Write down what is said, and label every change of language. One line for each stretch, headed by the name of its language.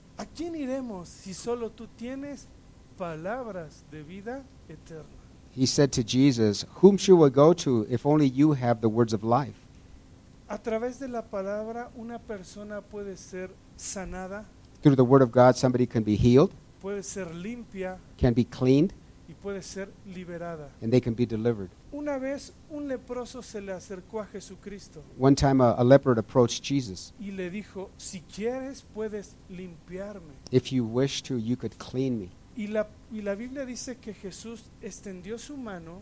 Spanish: ¿A quién iremos si solo tú tienes palabras de vida eterna?
English: He said to Jesus, "Whom should we go to if only you have the words of life?"
Spanish: A través de la palabra una persona puede ser sanada.
English: Through the word of God, somebody can be healed.
Spanish: Puede ser limpia.
English: Can be cleaned.
Spanish: Y puede ser liberada.
English: And they can be delivered.
Spanish: Una vez un leproso se le acercó a Jesucristo.
English: One time a leper approached Jesus.
Spanish: Y le dijo, si quieres puedes limpiarme.
English: If you wish to, you could clean me.
Spanish: Y la Biblia dice que Jesús extendió su mano.